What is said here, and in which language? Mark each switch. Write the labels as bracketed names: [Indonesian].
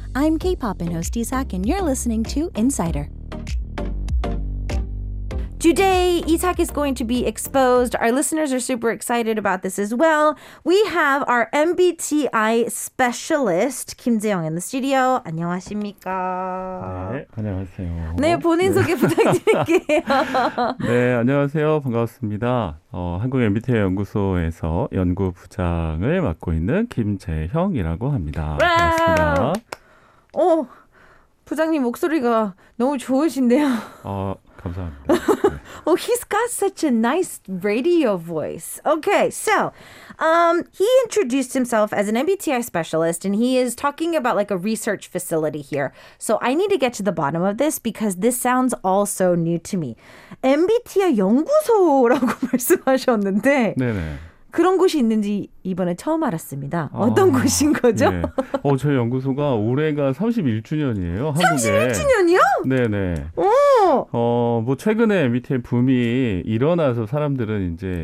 [English] I'm K-pop and host Isaac, and you're listening to Insider. Today, Isaac is going to be exposed. Our listeners are super excited about this as well. We have our MBTI specialist, Kim Jae-young, in the studio. [Korean] 안녕하십니까? 네, 안녕하세요. 네, 본인 소개 부탁드릴게요. 네, 안녕하세요. 반갑습니다. 한국 MBTI 연구소에서 연구 부장을 맡고 있는 김재형이라고 합니다. 반갑습니다. 부장님 목소리가 너무 좋으신데요. 감사합니다. [English] 네. Oh, he's got such a nice radio voice. Okay, so he introduced himself as an MBTI specialist, and he is talking about like a research facility here. So I need to get to the bottom of this because this sounds all so new to me. [Korean] MBTI 연구소라고 말씀하셨는데 네네. 그런 곳이 있는지 이번에 처음 알았습니다. 어떤 곳인 거죠? 네. 저희 연구소가 올해가 31주년이에요. 한국에. 31주년이요? 네네. 오! 최근에 MBTI 붐이 일어나서 사람들은 이제